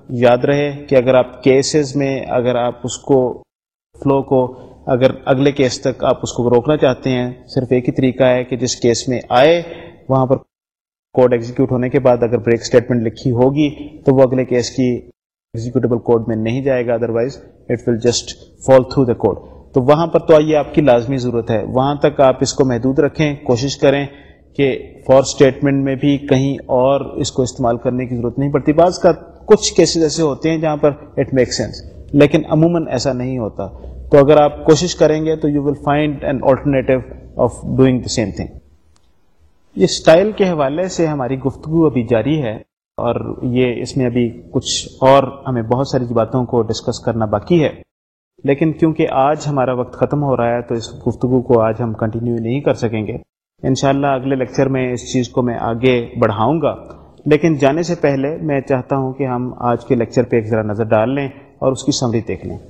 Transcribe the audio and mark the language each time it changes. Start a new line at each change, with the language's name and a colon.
Urdu: یاد رہے کہ اگر آپ کیسز میں اگر آپ اس کو فلو کو اگر اگلے کیس تک آپ اس کو روکنا چاہتے ہیں, صرف ایک ہی طریقہ ہے کہ جس کیس میں آئے وہاں پر کوڈ ایگزیکیوٹ ہونے کے بعد اگر بریک اسٹیٹمنٹ لکھی ہوگی تو وہ اگلے کیس کی ایگزیکیوٹیبل کوڈ میں نہیں جائے گا,
English: Otherwise it will just fall through the code.
Urdu: تو وہاں پر تو یہ آپ کی لازمی ضرورت ہے, وہاں تک آپ اس کو محدود رکھیں. کوشش کریں کہ فور اسٹیٹمنٹ میں بھی کہیں اور اس کو استعمال کرنے کی ضرورت نہیں پڑتی. بعض کا کچھ کیسز ایسے ہوتے ہیں جہاں پر
English: it make sense,
Urdu: لیکن عموماً ایسا نہیں ہوتا. تو اگر آپ کوشش کریں گے تو
English: You will find an alternative of doing the same thing.
Urdu: یہ اسٹائل کے حوالے سے ہماری گفتگو ابھی جاری ہے, اور یہ اس میں ابھی کچھ اور ہمیں بہت ساری باتوں کو ڈسکس کرنا باقی ہے, لیکن کیونکہ آج ہمارا وقت ختم ہو رہا ہے تو اس گفتگو کو آج ہم کنٹینیو نہیں کر سکیں گے. انشاءاللہ اگلے لیکچر میں اس چیز کو میں آگے بڑھاؤں گا, لیکن جانے سے پہلے میں چاہتا ہوں کہ ہم آج کے لیکچر پہ ایک ذرا نظر ڈال لیں اور اس کی سمری دیکھ لیں.